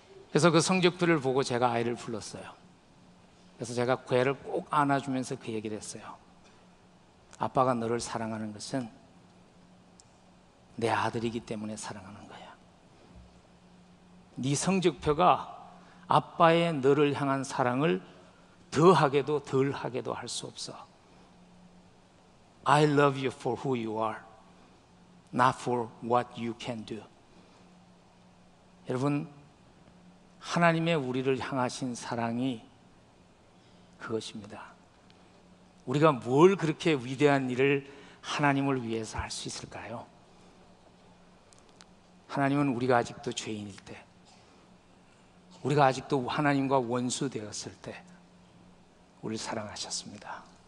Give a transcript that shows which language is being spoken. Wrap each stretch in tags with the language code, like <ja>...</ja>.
<ko>그래서 그 성적표를 보고 제가 아이를 불렀어요. 그래서 제가 그 애를 꼭 안아주면서 그 얘기를 했어요. 아빠가 너를 사랑하는 것은 내 아들이기 때문에 사랑하는 거야. 네 성적표가 아빠의 너를 향한 사랑을 더하게도 덜하게도 할 수 없어.</ko> <en>I love you for who you are, not for what you can do.</en> <ko>여러분, 하나님의 우리를 향하신 사랑이 그것입니다. 우리가 뭘 그렇게 위대한 일을 하나님을 위해서 할 수 있을까요? 하나님은 우리가 아직도 죄인일 때, 우리가 아직도 하나님과 원수 되었을 때 우리를 사랑하셨습니다.</ko>